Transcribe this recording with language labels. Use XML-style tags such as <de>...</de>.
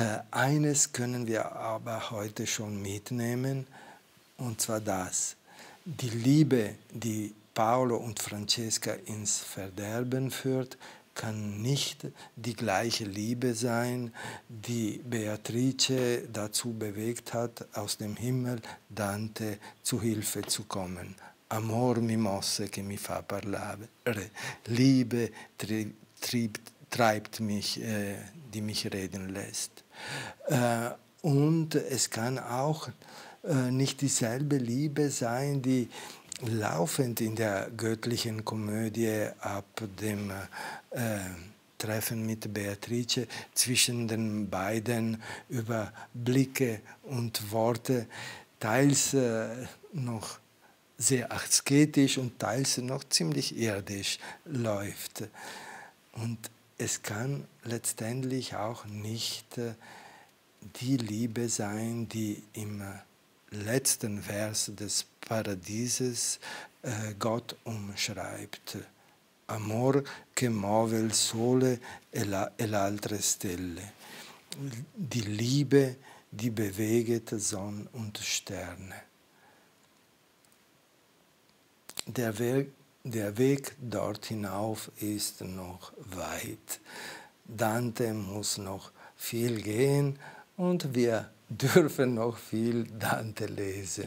<de>Eines können wir aber heute schon mitnehmen, und zwar das: Die Liebe, die Paolo und Francesca ins Verderben führt, kann nicht die gleiche Liebe sein, die Beatrice dazu bewegt hat, aus dem Himmel Dante zu Hilfe zu kommen.</de> <it>Amor mi mosse che mi fa parlare.</it> <de>Liebe treibt mich, die mich reden lässt. Und es kann auch nicht dieselbe Liebe sein, die laufend in der göttlichen Komödie ab dem Treffen mit Beatrice zwischen den beiden über Blicke und Worte teils noch sehr asketisch und teils noch ziemlich irdisch läuft. Und es kann letztendlich auch nicht die Liebe sein, die im letzten Vers des Paradieses Gott umschreibt.</de> <it>Amor che muove il sole e l'altre stelle.</it> <de>Die Liebe, die bewegt Sonne und Sterne. Der Weg dort hinauf ist noch weit. Dante muss noch viel gehen und wir dürfen noch viel Dante lesen.</de>